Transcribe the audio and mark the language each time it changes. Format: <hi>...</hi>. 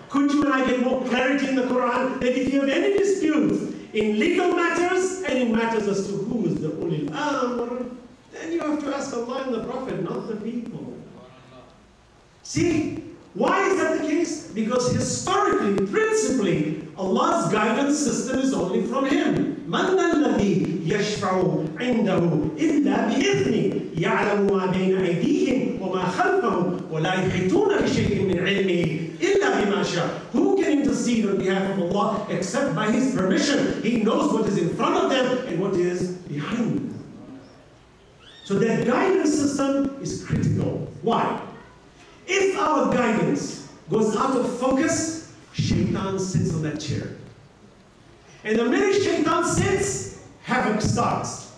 <en>Could you and I get more clarity in the Quran? That if you have any dispute in legal matters and in matters as to who is the Ulil Amr, then you have to ask Allah and the Prophet, not the people. See? Why is that the case? Because historically, principally, Allah's guidance system is only from Him.</en> <ar>مَنْ الَّذِي يَشْفَعُ عِنْدَهُ إِلَّا بِإِذْنِي يَعْلَمُ مَا بَيْنَ أَيْدِيهِمْ وَمَا خَلْفَهُ وَلَا يُحِيطُونَ بِشَيْءٍ مِنْ عِلْمِهِ إِلَّا بِمَا شَاءَ</ar> <en>Who can intercede on behalf of Allah except by His permission? He knows what is in front of them and what is behind them. So their guidance system is critical. Why? If our guidance goes out of focus, Shaitan sits on that chair. And the minute Shaitan sits, havoc starts.</en>